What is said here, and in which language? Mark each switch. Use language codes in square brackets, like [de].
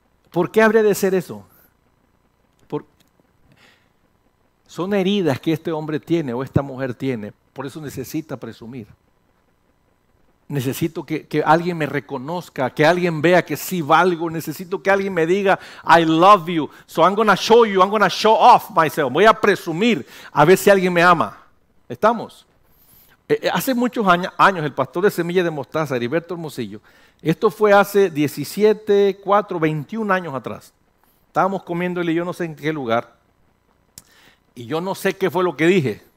[es] ¿Por qué habría de ser eso? Son heridas que este hombre tiene o esta mujer tiene. Por eso necesita presumir. Necesito que alguien me reconozca, que alguien vea que sí valgo. Necesito que alguien me diga, [en] I love you. So I'm going to show you, I'm going to show off myself. [es] Voy a presumir a ver si alguien me ama. ¿Estamos? Hace muchos años, el pastor de Semilla de Mostaza, Heriberto Hermosillo, esto fue hace 17, 4, 21 años atrás. Estábamos comiendo él y yo no sé en qué lugar. Y yo no sé qué fue lo que dije.